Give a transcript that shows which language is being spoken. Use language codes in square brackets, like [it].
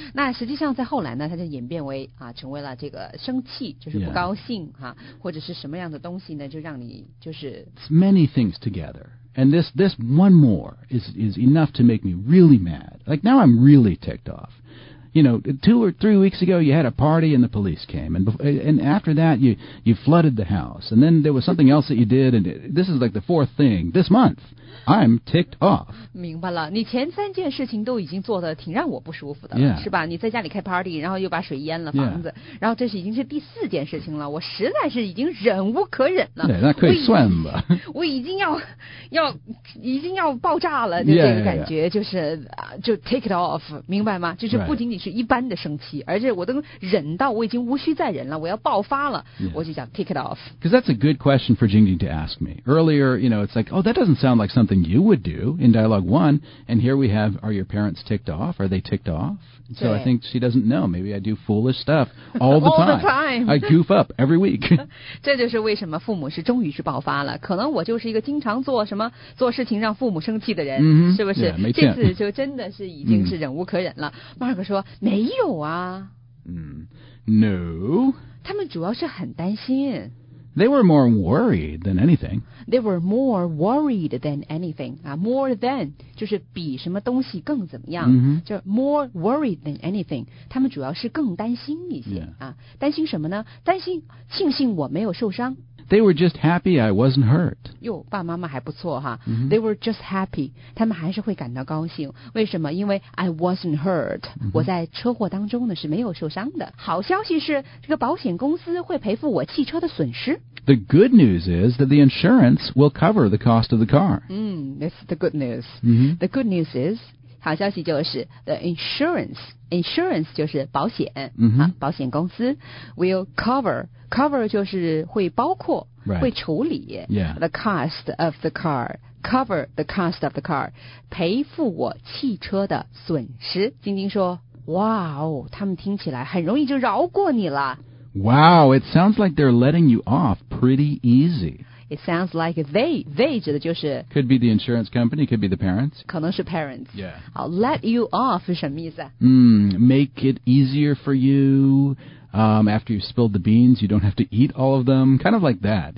[zh] 那实际上在后来呢，它就演变为成为了这个生气，就是不高兴、 [en] yeah. [zh] 哈，或者是什么样的东西呢，就让你就是 [en] It's many things together. And this one more is enough to make me really mad. Like, now I'm really ticked off. you know, 2 or 3 weeks ago, you had a party and the police came. And after that, you flooded the house. And then there was something else that you did. And this is like the fourth thing this month. I'm ticked off. [zh] 明白了，你前三件事情都已经做得挺让我不舒服的， [en] yeah. [zh] 是吧？你在家里开 party， 然后又把水淹了房子， [en] yeah. [zh] 然后这是已经是第四件事情了，我实在是已经忍无可忍了。对，那可以算吧。我已经要爆炸了，就这个感觉 [en] yeah. [zh] 就 [en] take it off， [zh] 明白吗？就是不仅仅是一般的生气， [en] right. [zh] 而且我都忍到我已经无需再忍了，我要爆发了， [en] yeah. [zh] 我就想 [en] take it off。 Because that's a good question for Jingjing to ask me earlier. You know, it's like, oh, that doesn't sound like something you would do in dialogue one, and here we have, are your parents ticked off? Are they ticked off? So I think she doesn't know. Maybe I do foolish stuff all the time. All the time. I goof up every week. [zh] 这就是为什么父母是终于是爆发了。可能我就是一个经常做什么做事情让父母生气的人， mm-hmm. 是不是？ [en] Yeah, make sense. [zh] 这次就真的是已经是忍无可忍了。 Mm. Mark 说没有啊。 [en] No. [zh] 他们主要是很担心。 [en] They were more worried than anything. They were more worried than anything. More than [zh] 就是比什么东西更怎么样、 mm-hmm. 就 [en] more worried than anything. [zh] 他们主要是更担心一些、 [en] yeah. [zh] 担心什么呢？担心庆幸我没有受伤。 [en] They were just happy I wasn't hurt. [zh] 哟，爸妈妈还不错哈。 Mm-hmm. [en] They were just happy. [zh] 他们还是会感到高兴。为什么？因为 [en] I wasn't hurt.、 Mm-hmm. [zh] 我在车祸当中呢是没有受伤的。好消息是，这个保险公司会赔付我汽车的损失。 [en] The good news is that the insurance will cover the cost of the car. That's the good news.、 Mm-hmm. The good news is, [zh] 好消息就是 [en] the insurance. [zh] Insurance 就是保险、 mm-hmm. 啊、保险公司 [en] will cover. Cover [zh] 就是会包括、 [en] right. [zh] 会处理、 [en] yeah. the cost of the car. Cover the cost of the car. [zh] 赔付我汽车的损失。晶晶说哇哦，他们听起来很容易就饶过你了。 [en] Wow, it sounds like they're letting you off pretty easy. It sounds like they [zh] 指的就是 [en] could be the insurance company, could be the parents. [zh] 可能是 parents. [en] Yeah. I'll let you off [zh] 是什么意思？ [en] Make it easier for you. After you spilled the beans, you don't have to eat all of them. Kind of like that.